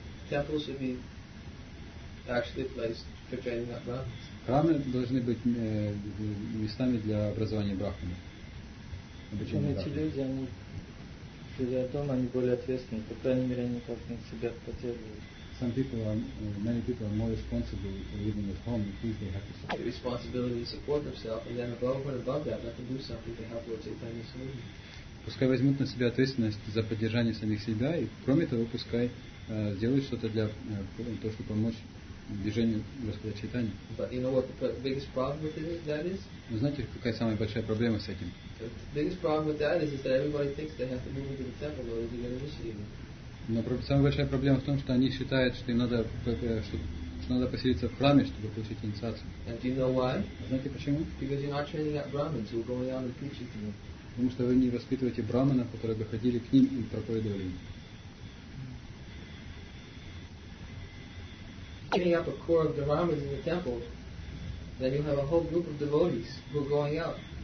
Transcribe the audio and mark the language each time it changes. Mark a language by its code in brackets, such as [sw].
[en] Temples should be actually placed for training up brahmins. [ru] Храмы должны быть местами для образования брахмана. Обучение брахмана. Сидя дома, они более ответственны, по крайней мере, они как на себя поддерживают. [en] Some people are, many people are more responsible for living at home, at least they have to support. The responsibility to support themselves, and then above that, let them do something to help Lord Chaitanya's movement. [ru] Пускай возьмут на себя ответственность за поддержание самих себя, и кроме того, пускай сделают что-то для того, чтобы помочь движению Господа Чайтани. [en] But you know what the biggest problem with it is, that is? [ru] Вы знаете, какая самая большая проблема с этим? [en] The biggest problem with that is that everybody thinks they have to move into the temple or they're going to initiate it. [ru] Но самая большая проблема в том, что они считают, что им надо, что надо поселиться в храме, чтобы получить инициацию. [en] And do you know why? [ru] Знаете почему? [en] Because you're not training up brahmins who are going out and preaching to them. [ru] Потому что вы не воспитываете брахманов, которые бы ходили к ним и проповедовали. [en] Training up a core of the brahmins in the temple, then you have a whole group of devotees who are going out.